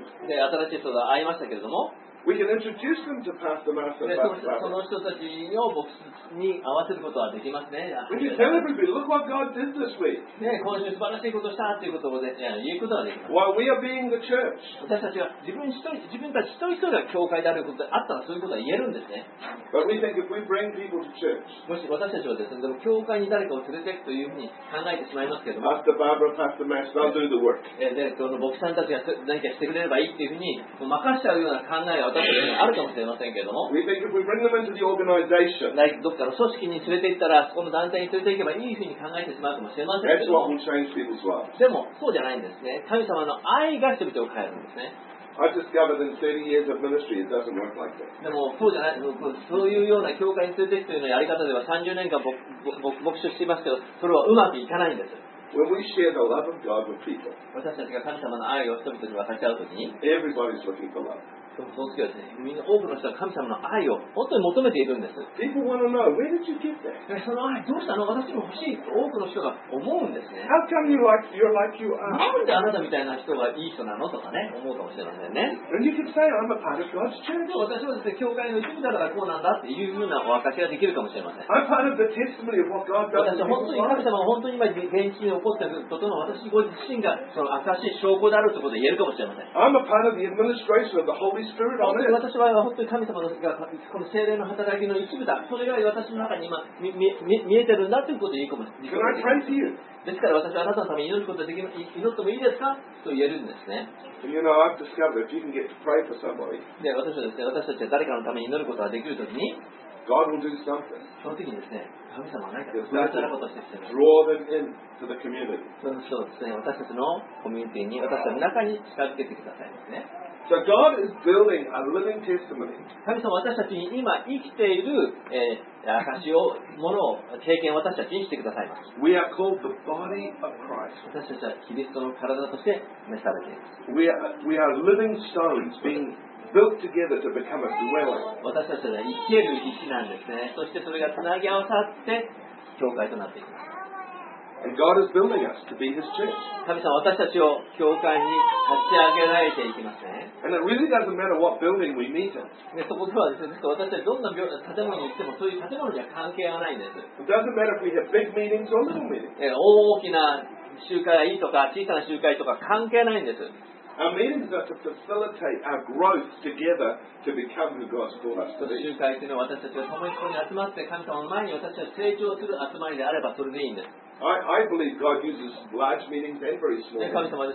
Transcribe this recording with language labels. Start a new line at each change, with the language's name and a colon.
Japanese: で新しい人と会いましたけれども、
English: We can introduce them to Pastor Master.
Japanese: その人たちを牧師に合わせることはできますね。
English: We can tell everybody, look what God did this week.
Japanese: ね、今週素晴らしいことをしたということをね、言うことはできます。
English: While we are being the church.
Japanese: 私たちは自分たち一人一人が教会であることであったらそういうことは言えるんですね。
English: But we think if we bring people to church.
Japanese: もし私たちはですね、でも教会に誰かを連れていくというふうに考えてしまいますけども。
English: Pastor Barbara, Pastor Master, I'll do the work.
Japanese: で、その牧師さんたちが何かしてくれればいいというふうに任せちゃうような考えは。あるかもしれませんけども。
English: We think if we bring them into the organization, like
Japanese: どっかの組織に連れて行ったら、そこの団体に連れて行けばいいふうに考えてしまうかもしれませんけども。
English: That's what will change people's lives.
Japanese: でもそうじゃないんですね。神様の愛が人々を変えるんですね。
English: I discovered in 30 years of ministry, it doesn't work like that.
Japanese: でもそうじゃない、そういうような教会に連れて行くというのやり方では30年間牧師していますけど、それはうまくいかないんです。
English: When we share the love of God with people,
Japanese: 私たちが神様の愛を人々に分かち合うときに、
English: everybody's looking for love.
Japanese: その時はですね、みんな多くの人は神様の愛を本当に求めているんです。
English: People want to know, where did you get that?
Japanese: その愛どうしたの？私も欲しいと多くの人が思うんですね。
English: How come you like, you're like you are?
Japanese: なんであなたみたいな人がいい人なのとかね、思うかもしれませんね。
English: And you can say, I'm a part of God's church.
Japanese: 私はですね、教会の一部だからこうなんだっていうふうなお証しができるかもしれません。
English: I'm part of the testimony of what God does.
Japanese: 私は本当に神様が本当に今現地に起こっていることの私ご自身がその証し証拠であるということを言えるかもしれません。
English: I'm a part of the administration of the Holy Spirit.
Japanese: 私は本当に神様のがこの聖霊の働きの一部だ。それが私の中に今見えてるんだということを言うかもしれません。ですから私はあなたのために祈ることができる、祈ってもいいですかと言えるんですね。
English: You know, I've discovered if you can get to pray for somebody,
Japanese: 私はですね、私たちは誰かのために祈ることができるときに、
English: God will do something.
Japanese: その時にですね、神様は何かそういったことをしてくれます。
English: Draw them in to the community.
Japanese: そうですね、私たちのコミュニティに、私たちの中に近づけてくださいですね。
English: So God is building a living testimony.
Japanese: 神様は私たちに今生きている、証しを、ものを、経験を私たちにしてくださいます。
English: We are called the body of Christ.
Japanese: 私たちはキリストの体として召されています。
English: We are living stones being built together to become a dwelling.
Japanese: 私たちは生きている石なんですね。そしてそれがつなぎ合わさって、教会となっています。
English: And God is building us to be His church.
Japanese: 神様は私たちを教会に立ち上げられていきますね。
English: And it really doesn't matter what building we meet in.
Japanese: そこではですね、私たちどんな建物に行ってもそういう建物には関係がないんです。
English: It doesn't matter if we have big meetings or little meetings.
Japanese: 大きな集会がいいとか小さな集会とか関係ないんです。
English: Our meetings are to facilitate our growth together to become who God's called us to be.
Japanese: 集会というのは私たちが共にここに集まって神様の前に私たちが成長する集まりであればそれでいいんです。
English: I believe God uses large meetings and very small meetings.